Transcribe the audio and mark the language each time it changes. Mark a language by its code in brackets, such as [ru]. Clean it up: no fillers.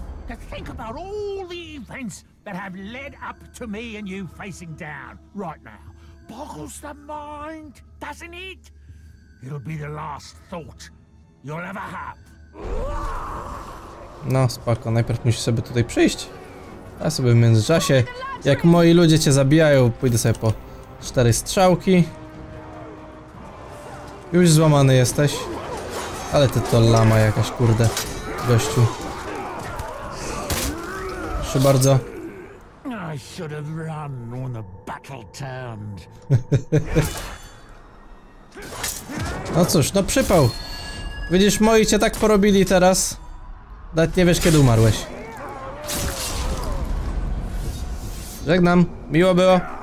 [en] To think about all the events that have led up to me and you facing down right now. Boggles the mind, doesn't it? It'll be the last thought you'll ever have. [pl] No spoko, najpierw musisz sobie tutaj przyjść. A sobie w międzyczasie, jak moi ludzie cię zabijają, pójdę sobie po cztery strzałki. Już złamany jesteś. Ale ty to lama jakaś, kurde, gościu. Proszę bardzo. [en] I should have run when the battle turned. [pl] No cóż, no przypał. Widzisz, moi cię tak porobili teraz. Nawet nie wiesz, kiedy umarłeś. Żegnam, miło było.